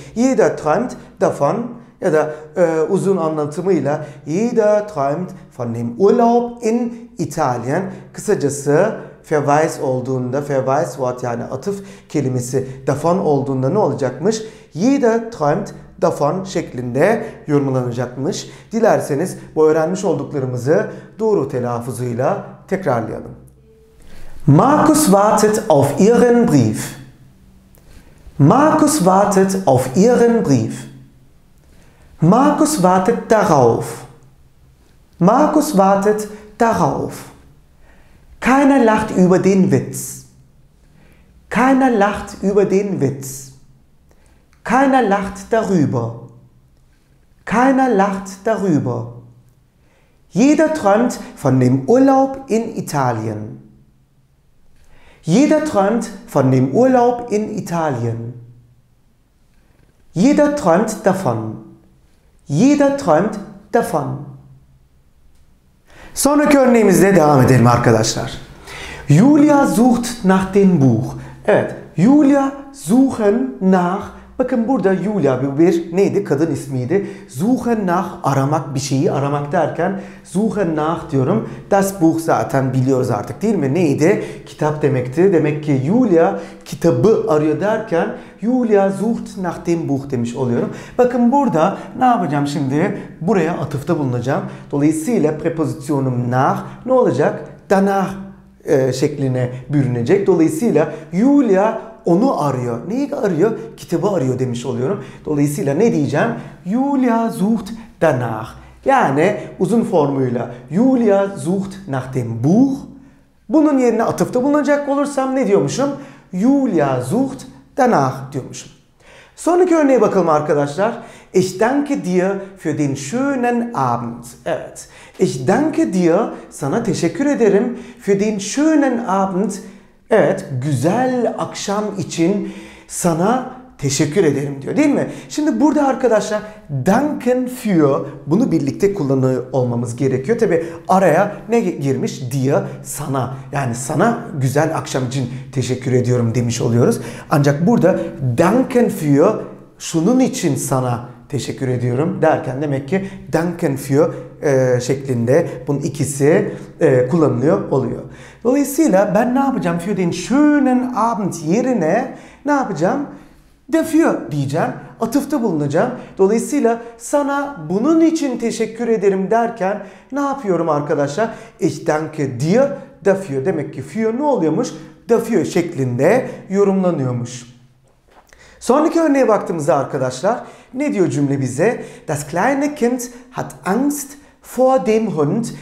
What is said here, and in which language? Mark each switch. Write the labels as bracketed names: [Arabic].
[German] Jeder träumt davon, [Turkish] ya da uzun anlatımıyla [German] jeder träumt von dem Urlaub in Italien, kısacası verweis olduğunda, verweis Wort [Turkish] yani atıf kelimesi davon olduğunda ne olacakmış? [German] Jeder träumt davon [Turkish] şeklinde yorumlanacakmış. Dilerseniz bu öğrenmiş olduklarımızı doğru telaffuzuyla tekrarlayalım. [German] Markus wartet auf ihren Brief. Markus wartet auf ihren Brief. Markus wartet darauf. Markus wartet darauf. Keiner lacht über den Witz. Keiner lacht über den Witz. Keiner lacht darüber. Keiner lacht darüber. Jeder träumt von dem Urlaub in Italien. Jeder träumt von dem Urlaub in Italien. Jeder träumt davon. Jeder träumt davon. [Turkish] Sonraki örneğimizle devam edelim arkadaşlar. [German] Julia sucht nach dem Buch. [Turkish] Evet, Julia suchen nach. Bakın burada Julia bir neydi? Kadın ismiydi. Suchen nach, aramak, bir şeyi aramak derken suchen nach diyorum. Das Buch zaten biliyoruz artık, değil mi? Neydi? Kitap demekti. Demek ki Julia kitabı arıyor derken [German] Julia sucht nach dem Buch [Turkish] demiş oluyorum. Bakın burada ne yapacağım şimdi? Buraya atıfta bulunacağım. Dolayısıyla prepozisyonum nach ne olacak? Danach şekline bürünecek. Dolayısıyla Julia onu arıyor. Neyi arıyor? Kitabı arıyor demiş oluyorum. Dolayısıyla ne diyeceğim? [German] Julia sucht danach. [Turkish] Yani uzun formuyla [German] Julia sucht nach dem Buch. [Turkish] Bunun yerine atıfta bulunacak olursam ne diyormuşum? [German] Julia sucht danach [Turkish] diyormuşum. Sonraki örneğe bakalım arkadaşlar. [German] Ich danke dir für den schönen Abend. Evet. Ich danke dir, [Turkish] sana teşekkür ederim, [German] für den schönen Abend. [Turkish] Evet, güzel akşam için sana teşekkür ederim diyor, değil mi? Şimdi burada arkadaşlar danken für, bunu birlikte kullanıyor olmamız gerekiyor. Tabi araya ne girmiş? Dir, sana. Yani sana güzel akşam için teşekkür ediyorum demiş oluyoruz. Ancak burada danken für, şunun için sana teşekkür ediyorum derken demek ki danken für şeklinde bunun ikisi kullanılıyor oluyor. Dolayısıyla ben ne yapacağım? Für den schönen Abend yerine ne yapacağım? Dafür diyeceğim. Atıfta bulunacağım. Dolayısıyla sana bunun için teşekkür ederim derken ne yapıyorum arkadaşlar? [German] Ich danke dir dafür. [Turkish] Demek ki für ne oluyormuş? Dafür şeklinde yorumlanıyormuş. Sonraki örneğe baktığımızda arkadaşlar ne diyor cümle bize? [German] Das kleine Kind hat Angst vor dem Hund.